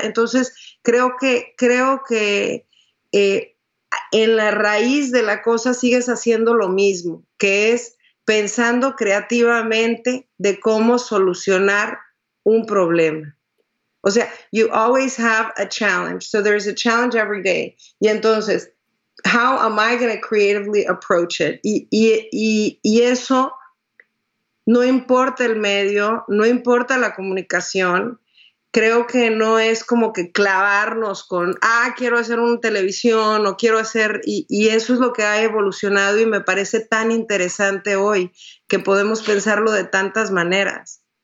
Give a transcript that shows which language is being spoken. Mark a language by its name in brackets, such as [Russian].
[Spanish] Entonces, creo que en la raíz de la cosa sigues haciendo lo mismo, que es pensando creativamente de cómo solucionar un problema. O sea, [English] you always have a challenge. So there's a challenge every day. [Spanish] Y entonces, [English] how am I going to creatively approach it? [Spanish] Y eso no importa el medio, no importa la comunicación, creo que no es como que clavarnos con, ah, quiero hacer una televisión o quiero hacer, y eso es lo que ha evolucionado y me parece tan interesante hoy, que podemos pensarlo de tantas maneras.